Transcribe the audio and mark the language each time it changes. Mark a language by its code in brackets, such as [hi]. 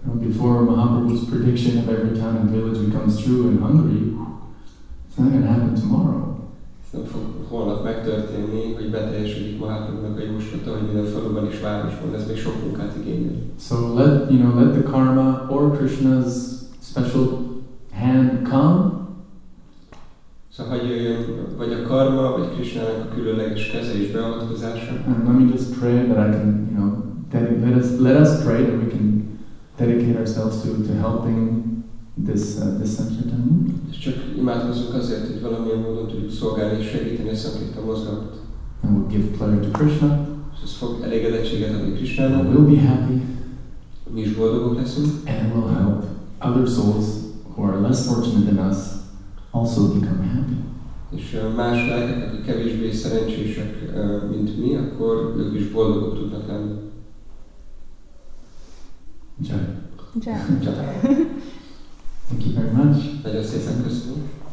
[en] Before Mahaprabhu's prediction of every town and village becomes true in Hungary, it's not going to happen tomorrow. [hu] Nem fog holnap megtörténni, hogy beteljesedik Mahaprabhunak a jóslata, hogy minden faluban és városban, ez még sok munkát igényel. [en] So let, you know, let the karma or Krishna's special hand come. [hu] So hogy jöjjön, vagy a karma, vagy Krishna-nak a különleges keze és beavatkozása. [en] And let me just pray that I can, you know, let us pray that we can dedicate ourselves to helping this Sankirtan movement. [hu] És csak imádkozunk azért, hogy valamilyen módon tudjuk szolgálni és segíteni a Sankirtan mozgalmat. [en] And we'll give pleasure to Krishna. [hu] És ez fog elégedettséget adni Krishnának. [en] We'll be happy. [hu] Mi is boldogok leszünk. [en] And we'll help other souls who are less fortunate than us also become happy. [hu] És más lelkek, akik kevésbé szerencsések, mint mi, akkor ők is boldogok tudnak lenni. [en] Jaj. Thank you very much. [hu] Nagyon szépen köszönöm.